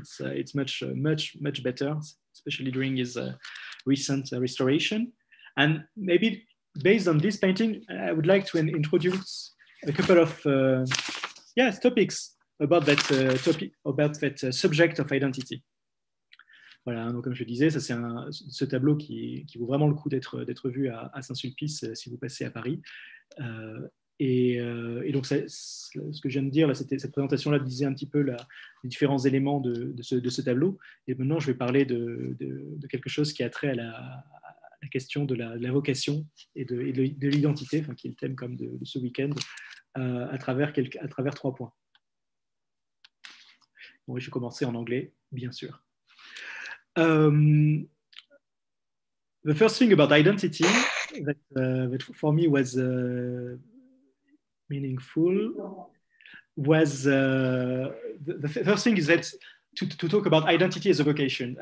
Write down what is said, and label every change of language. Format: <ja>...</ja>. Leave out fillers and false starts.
<en>It's much better, especially during his recent restoration. And maybe based on this painting, I would like to introduce a couple of topics about that topic, about that subject of identity.</en> <fr>Voilà, donc comme je le disais, ça c'est ce tableau qui vaut vraiment le coup d'être vu à Saint-Sulpice si vous passez à Paris. Et donc ce que je viens de dire, là, c'était, cette présentation-là disait un petit peu les différents éléments de ce tableau. Et maintenant, je vais parler de quelque chose qui a trait à la question de la vocation et de l'identité, enfin, qui est le thème comme de ce week-end, à travers trois points. Bon, je vais commencer en anglais, bien sûr.</fr> <en>The first thing about identity that for me was meaningful was the first thing is that to talk about identity as a vocation.</en>